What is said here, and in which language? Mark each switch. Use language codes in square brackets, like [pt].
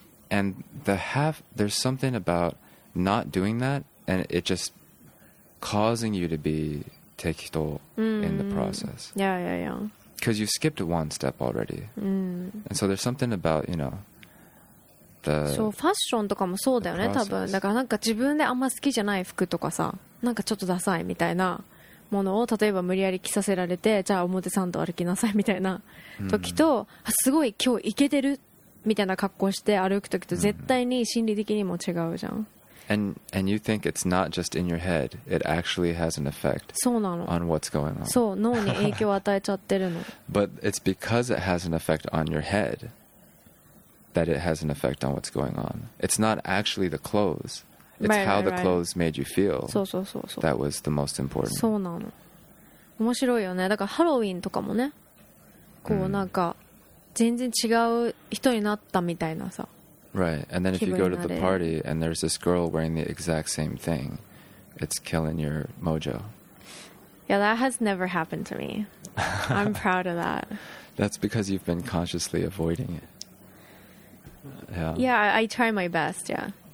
[en] And the half, there's something about not doing that and it just causing you to be tekito、mm. in the process. Yeah, yeah, yeah. Because you skipped one step already.、 Mm. And so there's something about, you know, the. [ja] So, fashion とかもそうだよね、多分。だからなんか自分であんま好きじゃない服とかさ、なんかちょっとダサいみたいな。ものを例えば無理やり着させられてじゃあ表参道歩きなさいみたいな時と、うん、すごい今日イケてるみたいな格好して歩く時と絶対に心理的にも違うじゃん [en] and you think it's not just in your head it actually has an effect [ja] そうなの [en] on what's going on [ja] そう脳に影響を与えちゃってるの [en] but it's because it has an effect on your head that it has an effect on what's going on it's not actually the clothesIt's right, right, how the clothes made you feel [ja] そうそうそうそう [en] that was the most important. [ja] そうなの。面白いよね。だからハロウィンとかもね、こうなんか全然違う人になったみたいなさ。 [en] Right. And then if you go to the party and there's this girl wearing the exact same thing, it's killing your mojo. Yeah, that has never happened to me. I'm proud of that. That's because you've been consciously avoiding it. Yeah. Yeah, I try my best, yeah.